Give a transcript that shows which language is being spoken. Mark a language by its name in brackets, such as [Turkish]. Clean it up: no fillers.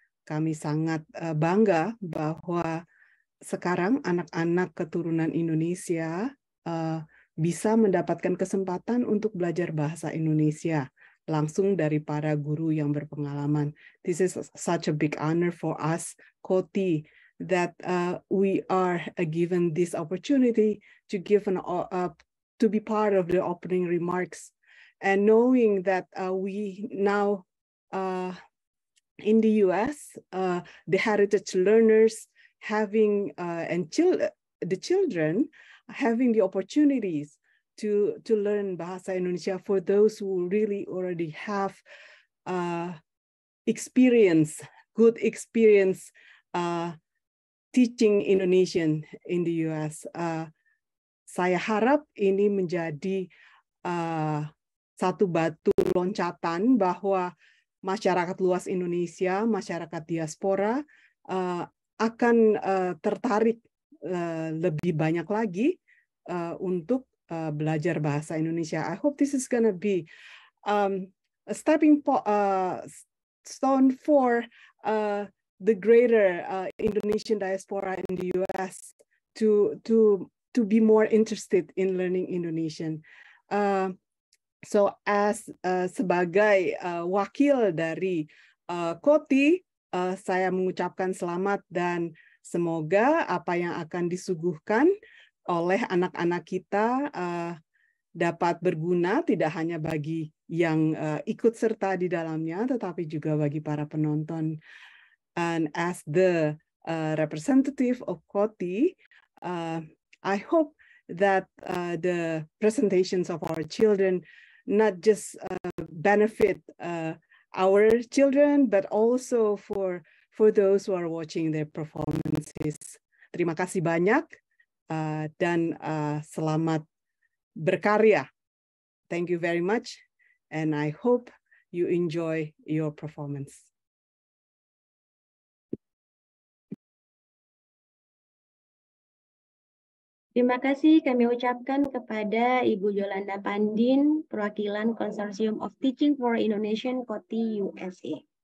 [Indonesian] Kami sangat bangga bahwa sekarang anak-anak keturunan Indonesia bisa mendapatkan kesempatan untuk belajar Bahasa Indonesia langsung dari para guru yang berpengalaman. [English] This is such a big honor for us, COTI, that we are given this opportunity to give to be part of the opening remarks. And knowing that we now in the U.S., the heritage learners having the children having the opportunities to learn Bahasa Indonesia for those who really already have good experience teaching Indonesian in the US. [Indonesian] Saya harap ini menjadi satu batu loncatan bahwa masyarakat luas Indonesia, masyarakat diaspora akan tertarik lebih banyak lagi untuk belajar Bahasa Indonesia. [English] I hope this is gonna be a stepping stone for the greater Indonesian diaspora in the US to be more interested in learning Indonesian. So as [Indonesian] sebagai wakil dari COTI, saya mengucapkan selamat dan semoga apa yang akan disuguhkan oleh anak-anak kita dapat berguna tidak hanya bagi yang ikut serta di dalamnya, tetapi juga bagi para penonton. [English] And as the representative of COTI, I hope that the presentations of our children not just benefit our children, but also for those who are watching their performances. [Indonesian] Terima kasih banyak dan selamat berkarya. [English] Thank you very much, and I hope you enjoy your performance. [Indonesian] Terima kasih kami ucapkan kepada Ibu Yolanda Pandin, perwakilan Consortium of Teaching for Indonesian COTI USA.